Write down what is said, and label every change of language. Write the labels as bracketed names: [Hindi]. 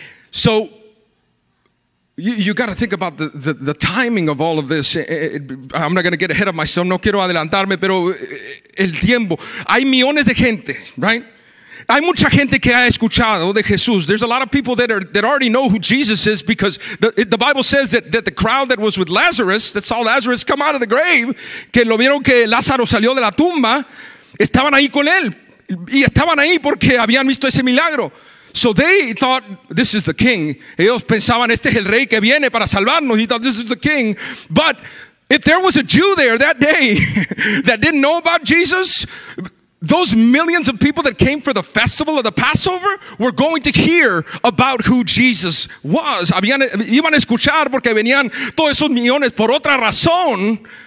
[English] So you got to think about the timing of all of this. I'm not going to get ahead of myself. [Spanish] No quiero adelantarme, pero el tiempo. Hay millones de gente, right? Hay mucha gente que ha escuchado de Jesús. [English] There's a lot of people that already know who Jesus is, because the Bible says that the crowd that was with Lazarus, that saw Lazarus come out of the grave, [Spanish] que lo vieron que Lázaro salió de la tumba, [English] estaban ahí con él. [Spanish] Y estaban ahí porque habían visto ese milagro. [English] So they thought, this is the king. [Spanish] Ellos pensaban, este es el rey que viene para salvarnos. [English] He thought, this is the king. But if there was a Jew there that day that didn't know about Jesus, those millions of people that came for the festival of the Passover were going to hear about who Jesus was. [Spanish] Iban a escuchar porque venían todos esos millones por otra razón.